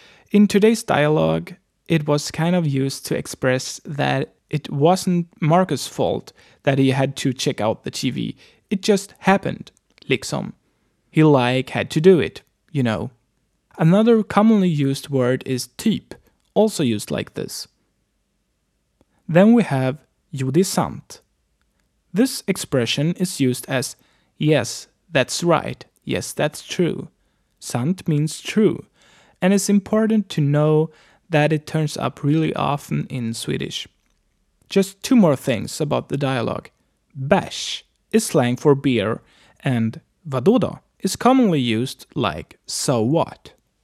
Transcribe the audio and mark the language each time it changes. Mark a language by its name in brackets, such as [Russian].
[English] In today's dialogue, it was kind of used to express that it wasn't Marcus' fault that he had to check out the TV. It just happened, liksom. He, like, had to do it, you know. Another commonly used word is typ, also used like this. Then we have [Swedish] jo, det är sant. [English] This expression is used as yes, that's right. Yes, that's true. Sant means true, and it's important to know that it turns up really often in Swedish. Just two more things about the dialogue. Bash is slang for beer, and vadodo is commonly used like so what.